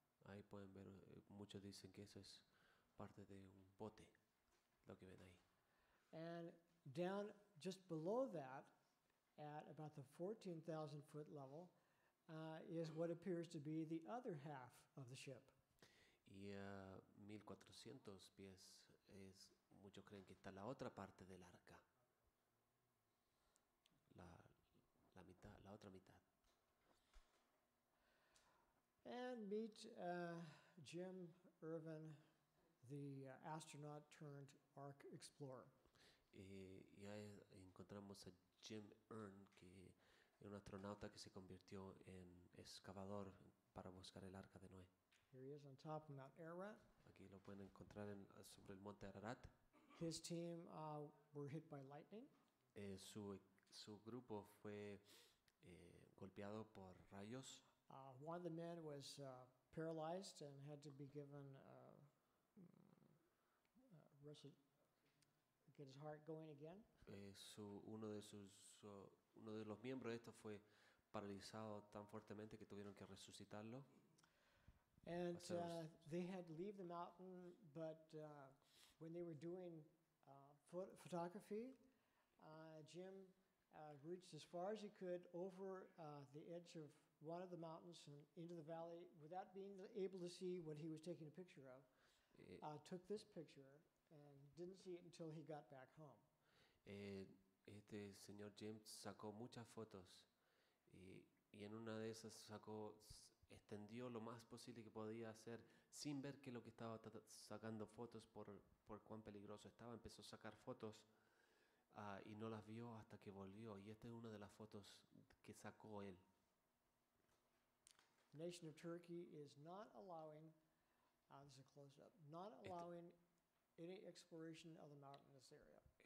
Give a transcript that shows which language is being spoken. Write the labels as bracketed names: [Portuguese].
[Spanish] Ahí pueden ver, muchos dicen que eso es parte de un bote, lo que ven ahí. [English] And down just below that, at about the 14,000 foot level, is what appears to be the other half of the ship. [Spanish] Y a 1,400 pies, muchos creen que está la otra parte del arca. La mitad, la otra mitad. [English] And meet Jim Irvin, the astronaut turned Ark explorer. [Spanish] Y ahí encontramos a Jim Irvin, que es un astronauta que se convirtió en excavador para buscar el arca de Noé. [English] Here he is on top of Mount Ararat. [Spanish] Aquí lo pueden encontrar sobre el monte Ararat. [English] His team were hit by lightning. [Spanish] Su grupo fue golpeado por rayos. [English] One of the men was paralyzed and had to be given get his heart going again. [Spanish] Uno de los miembros de estos fue paralizado tan fuertemente que tuvieron que resucitarlo. [English] And they had to leave the mountain, but when they were doing photography, Jim reached as far as he could over the edge of one of the mountains and into the valley without being able to see what he was taking a picture of. Took this picture and didn't see it until he got back home. [Spanish] Este señor Jim sacó muchas fotos y en una de esas sacó, extendió lo más posible que podía hacer sin ver que lo que estaba sacando fotos por cuán peligroso estaba. Empezó a sacar fotos y no las vio hasta que volvió. Y esta es una de las fotos que sacó él. [English] The nation of Turkey is not allowing, this is a close-up, not allowing any exploration of the mountainous area.